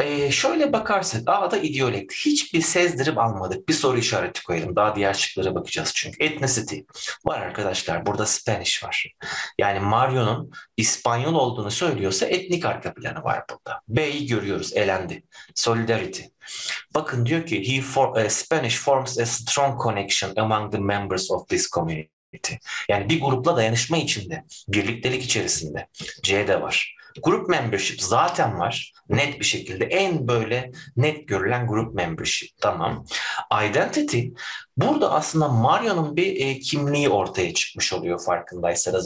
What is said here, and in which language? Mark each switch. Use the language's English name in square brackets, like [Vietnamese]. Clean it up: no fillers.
[Turkish] Şöyle bakarsak A'da idiolekt. Hiçbir sezdirip almadık. Bir soru işareti koyalım. Daha diğer şıklara bakacağız çünkü. Ethnicity var arkadaşlar. Burada Spanish var. Yani Mario'nun İspanyol olduğunu söylüyorsa etnik arka planı var burada. B'yi görüyoruz. Elendi. Solidarity. Bakın diyor ki [English] Spanish forms a strong connection among the members of this community. [Turkish] Yani bir grupla dayanışma içinde, birliktelik içerisinde. C'de var. Group membership zaten var. Net bir şekilde en böyle net görülen group membership. Tamam. Identity burada aslında Mario'nun bir kimliği ortaya çıkmış oluyor farkındaysanız.